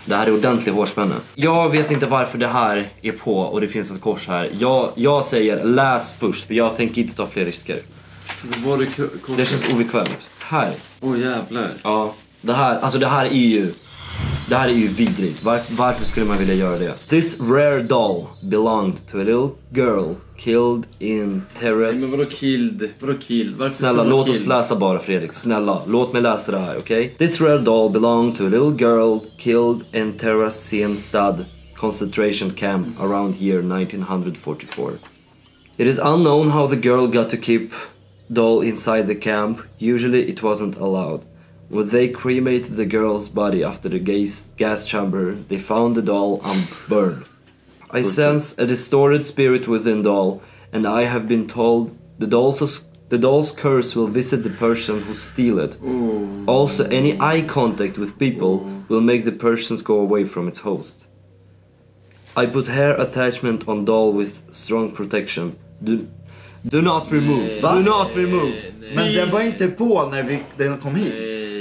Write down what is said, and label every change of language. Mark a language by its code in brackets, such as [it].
[sv] Det här är ordentlig hårspänne. Jag vet inte varför det här är på och det finns ett kors här. Jag säger läs först, för jag tänker inte ta fler risker. Var det Det känns obekvämt. Här. Åh, jävlar. Ja, det här, alltså det här är ju Det här är ju vidrigt. Varför skulle man vilja göra det? [en] This rare doll belonged to a little girl killed in Terrace. [sv] Men vadå killed? Vadå killed? Varför snälla, låt oss läsa bara, Fredrik. Snälla, låt mig läsa det här, okej? [en] Okay? This rare doll belonged to a little girl killed in Terrace-stad concentration camp around year 1944. It is unknown how the girl got to keep doll inside the camp. Usually it wasn't allowed. When they cremated the girl's body after the gas chamber, they found the doll unburned. I sense a distorted spirit within doll, and I have been told the doll's curse will visit the person who steal it. Ooh. Also, any eye contact with people will make the persons go away from its host. I put hair attachment on doll with strong protection. Do not remove. Nee, do not remove. [sv] Nee, nee. Men den var inte på när den kom hit.